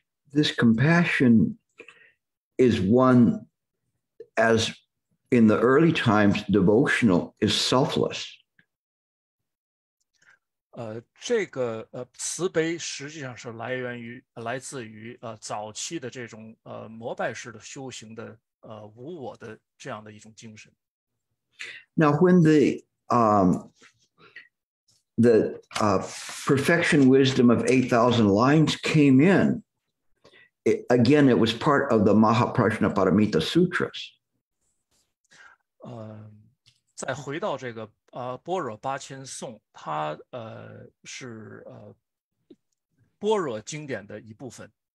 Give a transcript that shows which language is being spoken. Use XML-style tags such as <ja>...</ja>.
<en>This compassion is one as in the early times, devotional is selfless.</en> <zh>这个慈悲实际上是来自于早期的这种膜拜式的修行的无我的这样的一种精神。</zh> <en>Now, when the perfection wisdom of 8,000 lines came in, it was part of the Mahaprajnaparamita Sutras.</en> <zh>再回到这个般若八千颂，它是般若经典的一部分。</zh>